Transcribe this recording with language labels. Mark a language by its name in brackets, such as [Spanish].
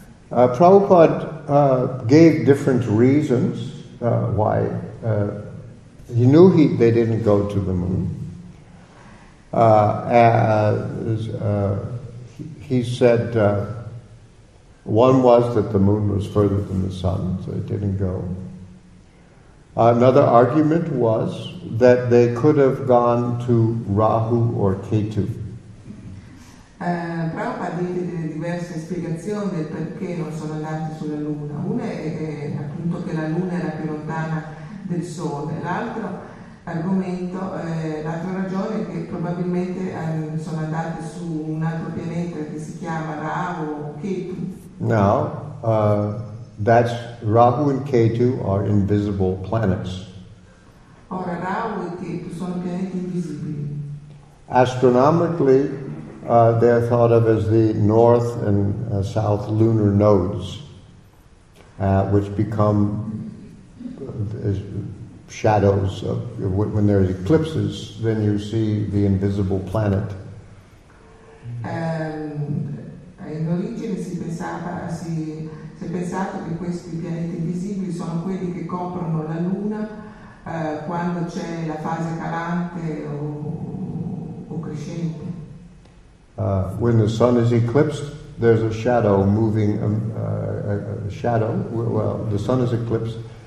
[English] Prabhupada gave different reasons why he knew they didn't go to the moon. He said one was that the moon was further than the sun, so it didn't go. Another argument was that they could have gone to Rahu or Ketu. [Italian] Prabhupada diede diverse spiegazioni del perché non sono andati sulla luna. Una è appunto che la luna era più lontana del sole. L'altro argomento, l'altra ragione è che probabilmente sono andati su un altro pianeta che si chiama Rahu o Ketu. [English] Now, that's Rahu and Ketu are invisible planets. [Italian] Ora, Rahu e Ketu sono pianeti invisibili. [English] Astronomically, they're thought of as the north and south lunar nodes, which become shadows. When there's eclipses, then you see the invisible planet. [Italian] In origine si è pensato che questi pianeti invisibili sono quelli che coprono la Luna quando c'è la fase calante o crescente. [English] When the sun is eclipsed, there's a shadow moving. The sun is eclipsed.